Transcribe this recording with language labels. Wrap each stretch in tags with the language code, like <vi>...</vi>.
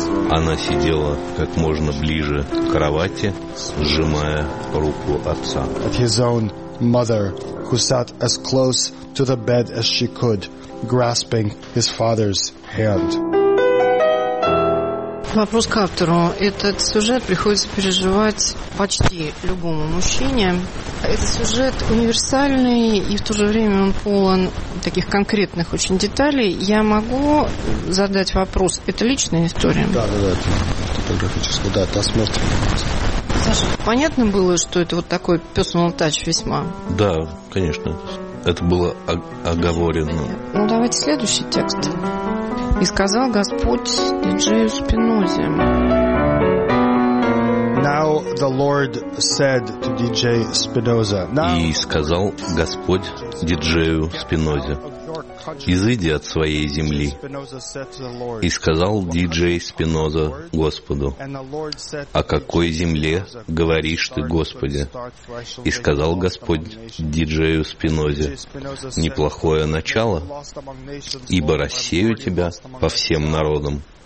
<ru>Она сидела как можно ближе к кровати, сжимая руку отца.</ru> <en>At his own mother, who sat as close to the bed as she could, grasping his father's hand.</en> <ru>Вопрос к автору. Этот сюжет приходится переживать почти любому мужчине. Этот сюжет универсальный, и в то же время он полон таких конкретных очень деталей. Я могу задать вопрос. Это личная история? Да, это фотографическая. Да, это смерть. Саша, понятно было, что это вот такой</ru> <en>personal touch</en> <ru>весьма? Да, конечно. Это было оговорено. Ну, давайте следующий текст. И сказал Господь диджею Спинозе.</ru> <en>Now the Lord said to DJ Spinoza.</en> <ru>И сказал Господь диджею Спинозе: «Изыди от своей земли». И сказал диджей Спиноза Господу: «О какой земле говоришь ты, Господи?» И сказал Господь диджею Спинозе: «Неплохое начало, ибо рассею тебя по всем народам».</ru>